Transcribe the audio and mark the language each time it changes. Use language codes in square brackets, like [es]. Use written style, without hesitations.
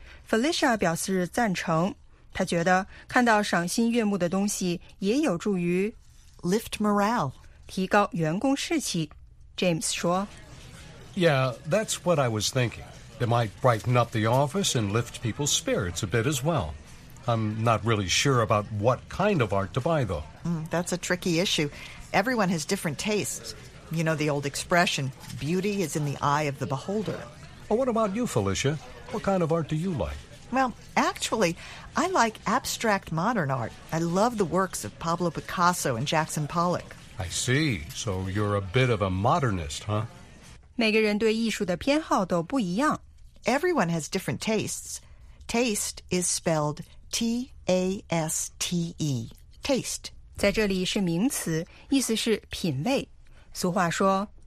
[zh] Felicia 表示赞成，他觉得看到赏心悦目的东西也有助于 [en] lift morale， [zh] 提高员工士气。James 说 [en] ：“Yeah, that's what I was thinking. It might brighten up the office and lift people's spirits a bit as well.” I'm not really sure about what kind of art to buy, though. That's a tricky issue. Everyone has different tastes. You know the old expression, beauty is in the eye of the beholder. Well, what about you, Felicia? What kind of art do you like? Well, actually, I like abstract modern art. I love the works of Pablo Picasso and Jackson Pollock. I see. So you're a bit of a modernist, huh? [zh] 每个人对艺术的偏好都不一样。 [en] Everyone has different tastes. Taste is spelled... T-A-S-T-E, taste. [zh] 在这里是名词，意思是品味。俗话说